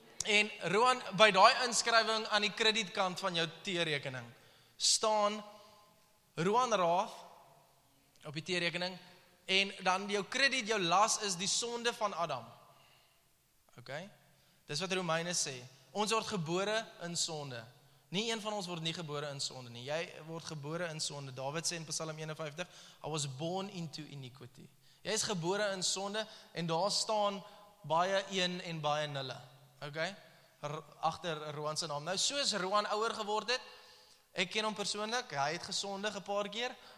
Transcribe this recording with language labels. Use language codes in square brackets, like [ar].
[af] En Roan, by die inskrywing aan die kredietkant van jou T-rekening, staan Roan Raaf op die T-rekening, en dan jou krediet, jou las is die sonde van Adam. Ok, dis wat Romeine sê. Ons word gebore in sonde. Nie een van ons word nie gebore in sonde nie. Jy word gebore in sonde. David sê in Psalm 51, [en] I was born into iniquity. [af] Jy is gebore in sonde en daar staan baie een en baie nulle. Ok? Achter Roan se naam. Nou, soos Roan ouer geword het, ek ken hom persoonlik, hy het gesondig 'n paar keer.